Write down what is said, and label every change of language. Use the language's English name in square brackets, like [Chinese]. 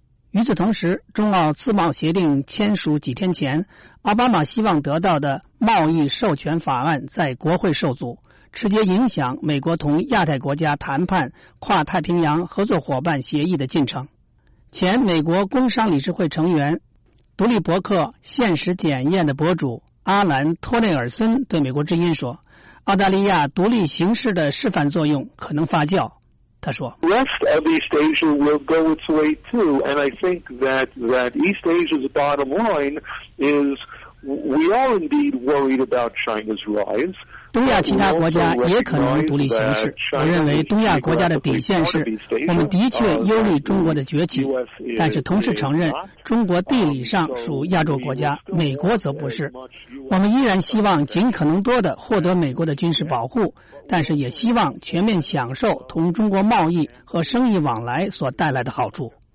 [Chinese] 与此同时，中澳自贸协定签署几天前，奥巴马希望得到的贸易授权法案在国会受阻，直接影响美国同亚太国家谈判跨太平洋合作伙伴协议的进程。前美国工商理事会成员、独立博客《现实检验》的博主阿兰·托内尔森对美国之音说，澳大利亚独立形式的示范作用可能发酵。他说 [English] West of East Asia will go its way too, and I think that East Asia's bottom line is we are indeed worried about China's rise. [Chinese] 东亚其他国家也可能独立形式，我认为东亚国家的底线是我们的确忧虑中国的崛起，但是同时承认中国地理上属亚洲国家，美国则不是。我们依然希望尽可能多的获得美国的军事保护，但是也希望全面享受同中国贸易和生意往来所带来的好处。